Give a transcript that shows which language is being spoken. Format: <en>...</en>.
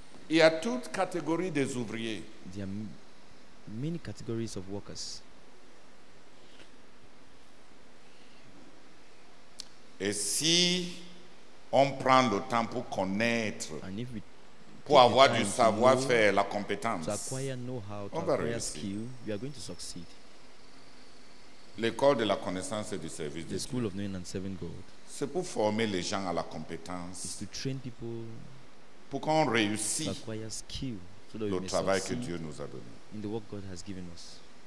<fr>Il y a toute catégorie des ouvriers.</fr> <en>There are many categories of workers.</en> <fr>Et si on prend le temps pour connaître,</fr> <en>and if we</en> <fr>pour avoir du savoir-faire, la compétence,</fr> <en>to acquire know-how, to acquire skill, we are going to succeed.</en> <fr>L'école de la connaissance et du service</fr> <en>the school of knowing and serving God.</en> <fr>C'est pour former les gens à la compétence.</fr> <en>It's to train people</en> <fr>pour qu'on réussisse</fr> <en>to acquire skill.</en> <fr>Le travail que Dieu nous a donné.</fr> <en>In the work God has given us.</en>